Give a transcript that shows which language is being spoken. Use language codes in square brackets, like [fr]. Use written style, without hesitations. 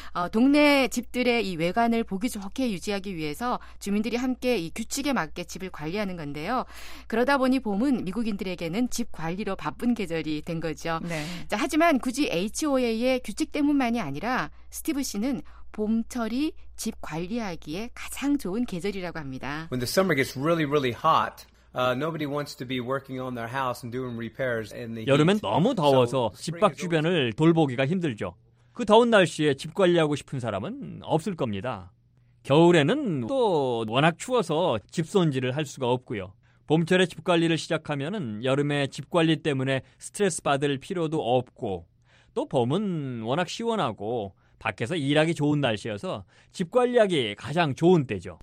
[ko] 동네 집들의 이 외관을 보기 좋게 유지하기 위해서 주민들이 함께 이 규칙에 맞게 집을 관리하는 건데요. 그러다 보니 봄은 미국인들에게는 집 관리로 바쁜 계절이 된 거죠. 네. 자, 하지만 굳이 HOA의 규칙 때문만이 아니라 스티브 씨는 봄철이 집 관리하기에 가장 좋은 계절이라고 합니다. [en] When the summer gets really, really hot. Nobody wants to be working on their house and doing repairs in the heat. [ko] 여름엔 너무 더워서 집 밖 주변을 돌보기가 힘들죠. 그 더운 날씨에 집 관리하고 싶은 사람은 없을 겁니다. 겨울에는 또 워낙 추워서 집 손질을 할 수가 없고요. 봄철에 집 관리를 시작하면은 여름에 집 관리 때문에 스트레스 받을 필요도 없고 또 봄은 워낙 시원하고 밖에서 일하기 좋은 날씨여서 집 관리하기 가장 좋은 때죠.